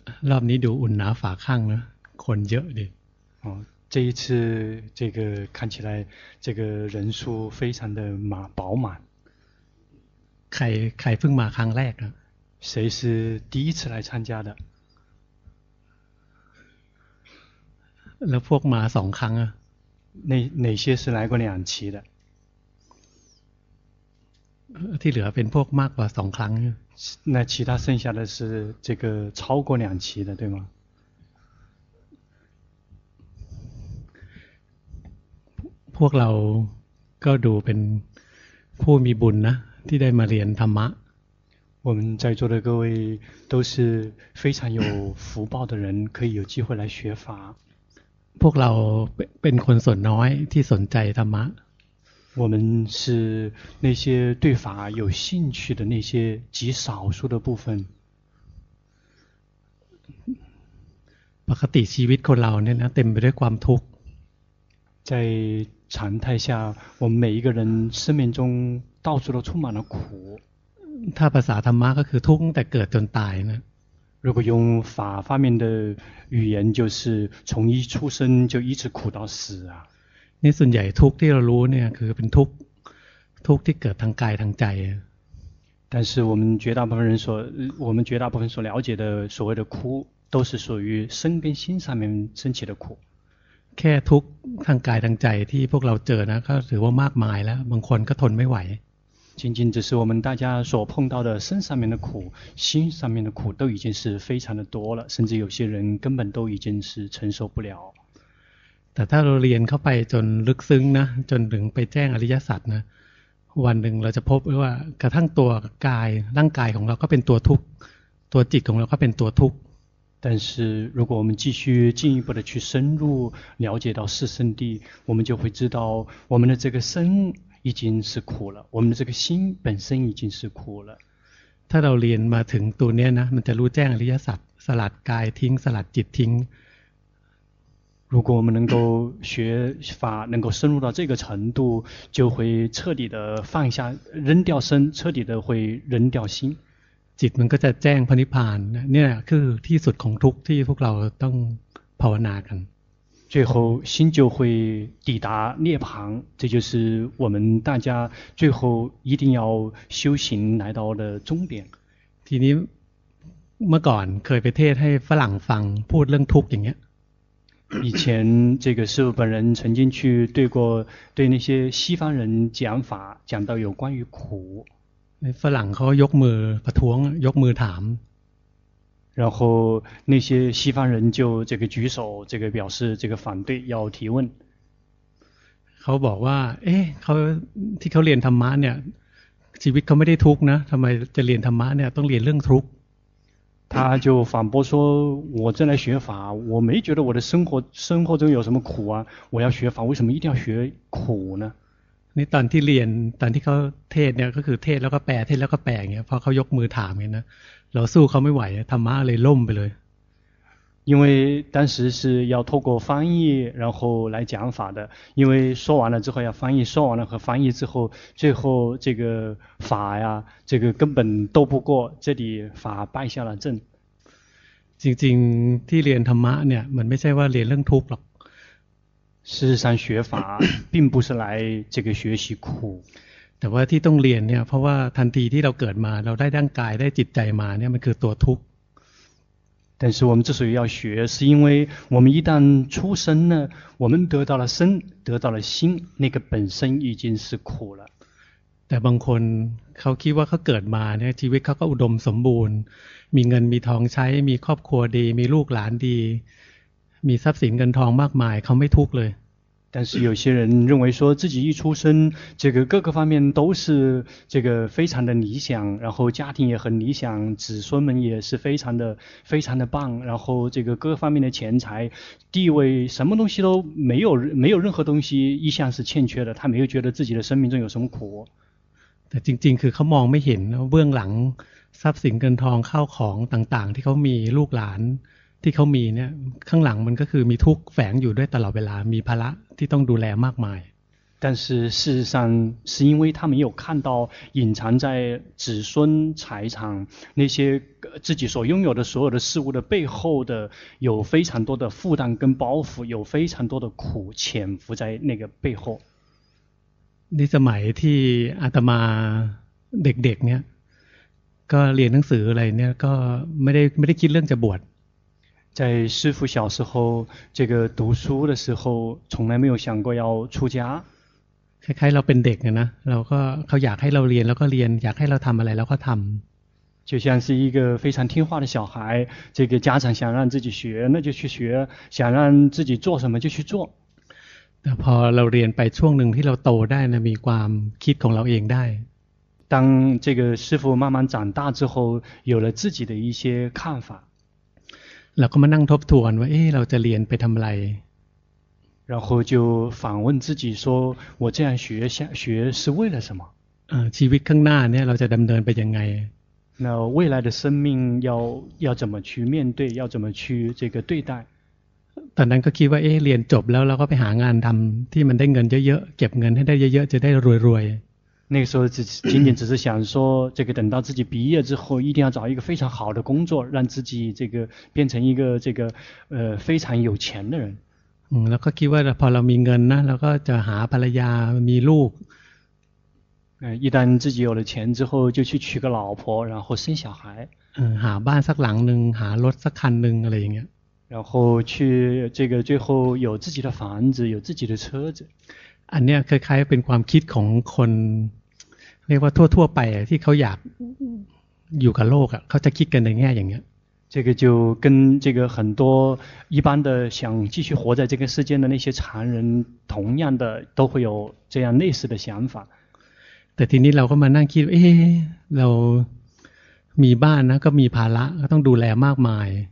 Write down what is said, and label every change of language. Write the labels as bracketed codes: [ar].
[th] รอบนี้ดูอุ่นหนาฝาข้างนะคนเยอะดิ [zh] 这一次这个看起来这个人数非常的饱满 [th] ใครเพิ่งมาครั้งแรกนะ [zh] 谁是第一次来参加的 [th] แล้วพวกมาสองครั้งอ่ะ [zh] 哪些是来过两期的 [th] ที่เหลือเป็นพวกมากกว่าสองครั้ง [zh] 那其他剩下的是这个超过两期的对吗 [th] พวกเราก็ดูเป็นผู้มีบุญนะที่ได้มาเรียนธรรมะ [zh] 我们在座的各位都是非常有福报的人可以有机会来学法 [th] พวกเราเป็นคนส่วนน้อยที่สนใจธรรมะ [zh] 我们是那些对法有兴趣的那些极少数的部分 [th] ปกติชีวิตคนเราเนี่ยนะเต็มไปด้วยความทุกข์ [zh] 在常态下我们每一个人生命中到处都充满了苦 [th] ถ้าภาษาธรรมะก็คือทุกข์แต่เกิดจนตายนะ [zh] 如果用法方面的语言就是从一出生就一直苦到死啊 [th] นี่ส่วนใหญ่ทุกข์ที่เรารู้เนี่ยคือเป็นทุกข์ที่เกิดทางกายทางใจ [zh] 但是我们绝大部分所了解的所谓的苦都是属于身跟心上面升起的苦 [th] แค่ทุกข์ทางกายทางใจที่พวกเราเจอนะก็ถือว่ามากมายแล้วบางคนก็ทนไม่ไหว [zh] 仅仅只是我们大家所碰到的身上面的苦心上面的苦都已经是非常的多了甚至有些人根本都已经是承受不了 [th] แต่ถ้าเราเรียนเข้าไปจนลึกซึ้งนะจนถึงไปแจ้งอริยสัจนะวันหนึ่งเราจะพบว่ากระทั่งตัวกายร่างกายของเราก็เป็นตัวทุกข์ตัวจิตของเราก็เป็นตัวทุกข์ [zh] 但是如果我们继续进一步的去深入了解到四圣谛我们就会知道我们的这个身已经是苦了我们的这个心本身已经是苦了 [th] ถ้าเราเรียนมาถึงตัวเนี้ยนะมันจะรู้แจ้งอริยสัจสลัดกายทิ้งสลัดจิตทิ้ง [zh] 如果我们能够学法能够深入到这个程度就会彻底的放下扔掉身彻底的会扔掉心 [th] จิตมันก็จะแจ้งพระนิพพานเนี่ยคือที่สุดของทุกข์ที่พวกเราต้องภาวนากัน [zh] 最后心就会抵达涅槃这就是我们大家最后一定要修行来到的终点 [th] ทีนี้เมื่อก่อนเคยไปเทศให้ฝรั่งฟังพูดเรื่องทุกข์อย่างเงี้ย [zh] 以前这个师父本人曾经去对过对那些西方人讲法讲到有关于苦 [th] ฝรั่งเขายกมือประท้วงยกมือถาม [zh] 然后那些西方人就这个举手这个表示这个反对要提问 [th] เขาบอกว่าเอ๊ะเขาที่เขาเรียนธรรมะเนี่ยชีวิตเขาไม่ได้ทุกข์นะทำไมจะเรียนธรรมะเนี่ยต้องเรียนเรื่องทุกข์ [zh] 他就反驳说我正来学法我没觉得我的生活中有什么苦啊我要学法为什么一定要学苦呢 [th] นี่ตอนที่เรียนตอนที่เขาเทศเนี่ยก็คือเทศแล้วก็แปลเทศแล้วก็แปลอย่างเงี้ยพอเขายกมือถามเงี้ยนะเราสู้เขาไม่ไหวธรรมะเลยล่มไปเลย [zh] 因为当时是要透过翻译然后来讲法的因为说完了之后要翻译说完了和翻译之后最后这个法呀这个根本斗不过这里法败下了阵 [th] จริงๆที่เรียนธรรมะเนี่ยมันไม่ใช่ว่าเรียนเรื่องทุกข์หรอก [zh] 事实上学法并不是来这个学习苦 [th] แต่ว่าที่ต้องเรียนเนี่ยเพราะว่าทันทีที่เราเกิดมาเราได้ร่างกายได้จิตใจมาเนี่ยมันคือตัวทุกข์ [zh] 但是我们之所以要学是因为我们一旦出生呢我们得到了身得到了心那个本身已经是苦了 [th] แต่บางคนเขาคิดว่าเขาเกิดมาเนี่ยชีวิตเขาก็อุดมสมบูรณ์มีเงินมีทองใช้มีครอบครัวดีมีลูกหลานดีมีทรัพย์สินเงินทองมากมายเขาไม่ทุกข์เลย [zh] 但是有些人认为说自己一出生这个各个方面都是这个非常的理想然后家庭也很理想子孙们也是非常的棒然后这个各方面的钱财地位什么东西都没有任何东西一向是欠缺的他没有觉得自己的生命中有什么苦 [th] แต่จริงๆคือเขามองไม่เห็นเบื้องหลังทรัพย์สินเงินทองข้าวของต่างๆที่เขามีลูกหลานที่เขามีเนี่ยข้างหลังมันก็คือมีทุกข์แฝงอยู่ด้วยตลอดเวลามีภาระที่ต้องดูแลมากมาย [zh] 但是事实上是因为他没有看到隐藏在子孙财产那些自己所拥有的所有的事物的背后的有非常多的负担跟包袱，有非常多的苦潜伏在那个背后。你 [th] สมัยที่อาตมาเด็กๆเนี่ยก็เรียนหนังสืออะไรเนี่ยก็ไม่ได้คิดเรื่องจะบวช [zh] 在师父小时候这个读书的时候从来没有想过要出家 [th] คล้ายๆเราเป็นเด็กนะเราก็เขาอยากให้เราเรียนแล้วก็เรียนอยากให้เราทำอะไรแล้วก็ทำ [zh] 就像是一个非常听话的小孩这个家长想让自己学那就去学想让自己做什么就去做 [th] แต่พอเราเรียนไปช่วงหนึ่งที่เราโตได้นะมีความคิดของเราเองได้ [zh] 当这个师父慢慢长大之后有了自己的一些看法 [th] แล้วก็มานั่งทบทวนว่าเอ๊ะเราจะเรียนไปทำไร [zh] 然后就反问自己说我这样学下学是为了什么 [th] ชีวิตข้างหน้าเนี่ยเราจะดำเนินไปยังไง [zh] 那未来的生命要怎么去面对要怎么去这个对待 [th] ตอนนั้นก็คิดว่าเอ๊ะเรียนจบแล้วเราก็ไปหางานทำที่มันได้เงินเยอะๆเก็บเงินให้ได้เยอะๆจะได้รวยๆ [zh] 那个时候只仅仅只是想说这个等到自己毕业之后一定要找一个非常好的工作让自己这个变成一个这个非常有钱的人然后觉得 [th] พอเรามีเงินนะเราก็จะหาภรรยามีลูก [zh] 一旦自己有了钱之后就去娶个老婆然后生小孩 [th] หาบ้านสักหลังนึงหารถสักคันนึงอะไรอย่างเงี้ย [zh] 然后去这个最后有自己的房子有自己的车子 [th] อันนี้คล้ายๆเป็นความคิดของคนเรียกว่าทั่วๆไปที่เขาอยากอยู่กับโลกอ่ะเขาจะคิดกันในแง่อย่างเงี้ย [zh] 这个就跟这个很多一般的想继续活在这个世间的那些常人同样的都会有这样类似的想法 [th] แต่ทีนี้เราก็มานั่งคิดเรามีบ้านนะก็มีภาระก็ต้องดูแลมากมาย